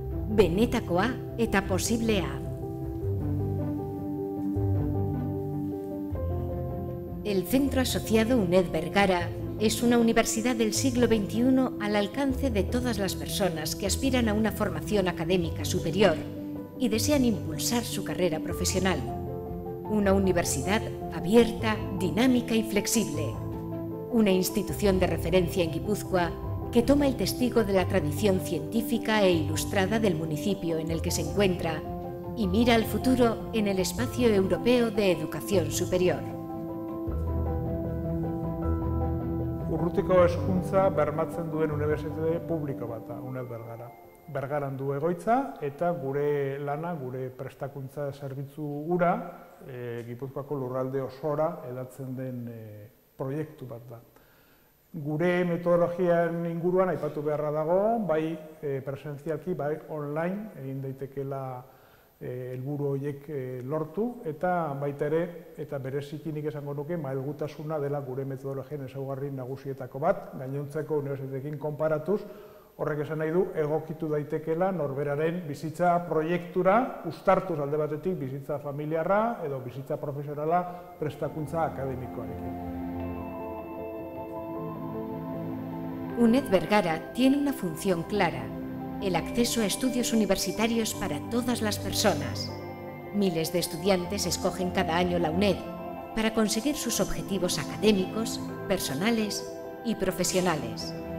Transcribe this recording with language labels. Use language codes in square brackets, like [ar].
[eu] Benetakoa eta posiblea. [es] El Centro Asociado UNED Vergara es una universidad del siglo XXI al alcance de todas las personas que aspiran a una formación académica superior y desean impulsar su carrera profesional. Una universidad abierta, dinámica y flexible. Una institución de referencia en Guipúzcoa que toma el testigo de la tradición científica e ilustrada del municipio en el que se encuentra y mira al futuro en el espacio europeo de educación superior. [eu] Urrutiko hezkuntza bermatzen duen unibertsitate publiko bat da, UNED Vergara. Bergaran du egoitza eta gure lana, gure prestakuntza zerbitzu ura, Gipuzkoako lurralde osora hedatzen den proiektu bat da. Gure metodologian inguruan aipatu beharra dago, bai presentzialki, bai online, egin daitekela helburu horiek lortu, eta baita ere, eta berezikinik esango nuke, malgutasuna dela gure metodologien ezaugarri nagusietako bat, gainontzeko unibertsitateekin konparatuz, horrek esan nahi du, egokitu daitekela norberaren bizitza proiektura, uztartuz alde batetik bizitza familiarra edo bizitza profesionala prestakuntza akademikoarekin. [es] UNED Vergara tiene una función clara: el acceso a estudios universitarios para todas las personas. Miles de estudiantes escogen cada año la UNED para conseguir sus objetivos académicos, personales y profesionales.